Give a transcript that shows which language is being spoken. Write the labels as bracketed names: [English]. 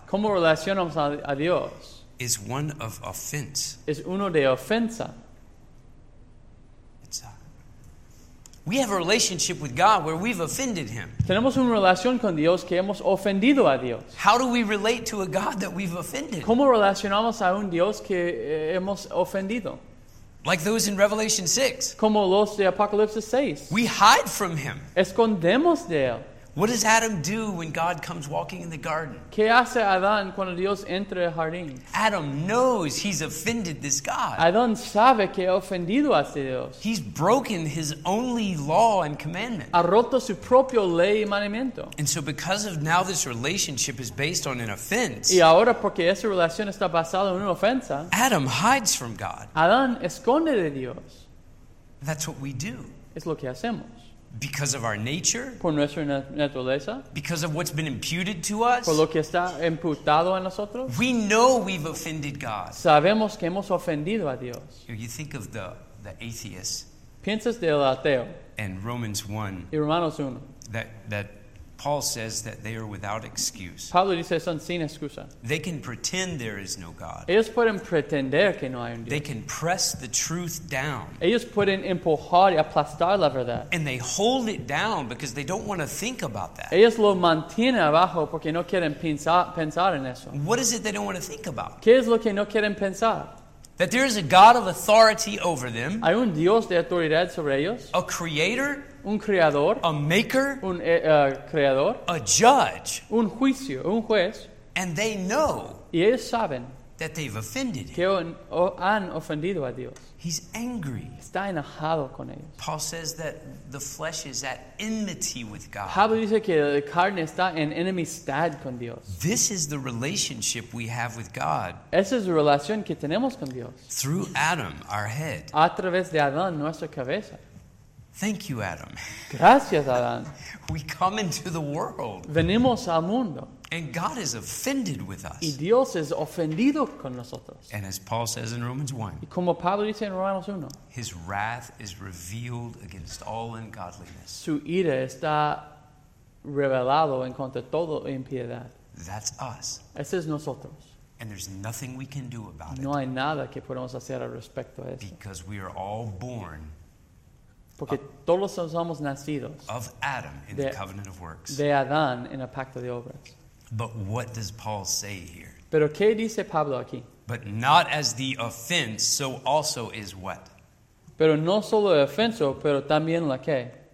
[Spanish] ¿Cómo relacionamos a Dios? [English] Is one of offense. [Spanish] Es uno de ofensa. [English] It's a, we have a relationship with God where we've offended Him. [Spanish] Tenemos una relación con Dios que hemos ofendido a Dios. [English] How do we relate to a God that we've offended? [Spanish] ¿Cómo relacionamos a un Dios que hemos ofendido? [English] Like those in Revelation 6. [Spanish] Como los de Apocalipsis 6. [English] We hide from him. [Spanish] Escondemos de él. [English] What does Adam do when God comes walking in the garden? [Spanish] ¿Qué hace Adán cuando Dios entra al jardín? [English] Adam knows he's offended this God. [Spanish] Adán sabe que ha ofendido a este Dios. [English] He's broken his only law and commandment. [Spanish] Ha roto su propio ley y mandamiento. [English] And so because of now this relationship is based on an offense. [Spanish] Y ahora porque esa relación está basada en una ofensa. [English] Adam hides from God. [Spanish] Adán esconde de Dios. [English] That's what we do. [Spanish] Es lo que hacemos. [English] Because of our nature. [Spanish] Por nuestra naturaleza. [English] Because of what's been imputed to us. [Spanish] Por lo que está imputado a nosotros. [English] We know we've offended God. [Spanish] Sabemos que hemos ofendido a Dios. [English] You think of the atheist. [Spanish] Piensas del ateo. [English] And Romans 1. [Spanish] Y Romanos 1. [English] That Paul says that they are without excuse. [Spanish] Pablo dice son sin excusa. [English] They can pretend there is no God. [Spanish] Ellos pueden pretender que no hay un Dios. [English] They can press the truth down. [Spanish] Ellos pueden empujar y aplastar la verdad. [English] And they hold it down because they don't want to think about that. [Spanish] Ellos lo mantienen abajo porque no quieren pensar en eso. [English] What is it they don't want to think about? [Spanish] ¿Qué es lo que no quieren pensar? [English] That there is a God of authority over them. [Spanish] Hay un Dios de autoridad sobre ellos. [English] A creator. [Spanish] Un creador, [English] a maker, [Spanish] un creador, [English] a judge, [Spanish] un juicio, un juez, [English] and they know, [Spanish] y ellos saben, [English] that they've offended [Spanish] que han ofendido a Dios. [English] He's angry. [Spanish] Está enojado con ellos. [English] Paul says that the flesh is at enmity with God. [Spanish] Pablo dice que la carne está en enemistad con Dios. [English] This is the relationship we have with God. [Spanish] Esa es la relación que tenemos con Dios. [English] Through Adam, our head. [Spanish] A través de Adán, nuestra cabeza. [English] Thank you, Adam. [Spanish] Gracias, Adán. [English] We come into the world. [Spanish] Venimos al mundo. [English] And God is offended with us. [Spanish] Y Dios es ofendido con nosotros. [English] And as Paul says in Romans 1. [Spanish] Y como Pablo dice en Romanos 1. [English] His wrath is revealed against all ungodliness. [Spanish] Su ira está revelado en contra de toda impiedad. [English] That's us. [Spanish] Ese es nosotros. [English] And there's nothing we can do about it. [Spanish] No hay nada que podemos hacer al respecto a eso. [English] Because we are all born. [Spanish] Porque todos somos nacidos [English] of Adam in the covenant of works. [Spanish] De Adán en el pacto de obras. [English] But what does Paul say here? [Spanish] Pero ¿qué dice Pablo aquí? [English] But not as the offense, so also is what? [Spanish] Pero no solo el ofenso, pero también la qué?